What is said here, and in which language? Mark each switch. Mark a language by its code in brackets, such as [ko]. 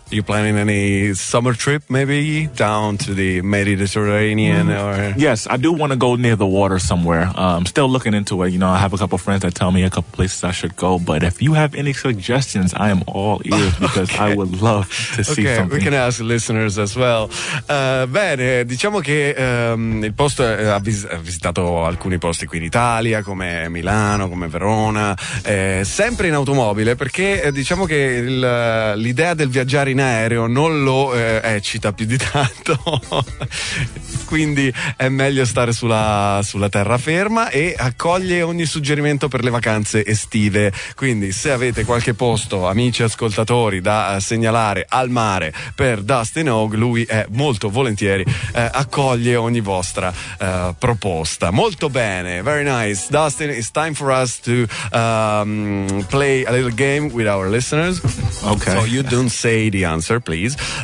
[en] Are you planning any summer trip, maybe, down to the Mediterranean? Or yes, I do want to go near the water somewhere. I'm still looking into it. You know, I have a couple of friends that tell me a couple places I should go, but if you have any suggestions, I am all ears, because okay. I would love to see okay, something. Okay, we can ask listeners as well. [it] Bene, diciamo che il posto ha visitato alcuni posti qui in Italia, come Milano, come Verona, sempre in automobile, perché diciamo che l'idea del viaggiare in aereo non lo eccita più di tanto. Quindi è meglio stare sulla terraferma, e accoglie ogni suggerimento per le vacanze estive. Quindi se avete qualche posto, amici ascoltatori, da segnalare al mare per Dustin Hoag, lui è molto volentieri, accoglie ogni vostra proposta. Molto bene, [en] very nice. Dustin, it's time for us to play a little game with our listeners. Okay. So you don't say the answer, please.